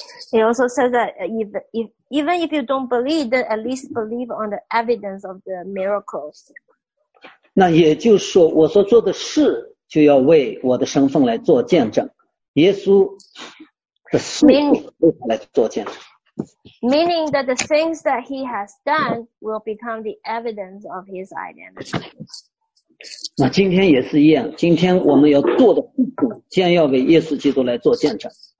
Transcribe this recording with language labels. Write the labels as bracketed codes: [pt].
[en] He also says that even if you don't believe, then at least believe on the evidence of the miracles. [zh] 那也就是说我所做的事就要为我的身份来做见证，耶稣的事来做见证。 [en] Meaning that the things that he has done will become the evidence of his identity. [zh] 那今天也是一样，今天我们要做的事情，先要为耶稣基督来做见证。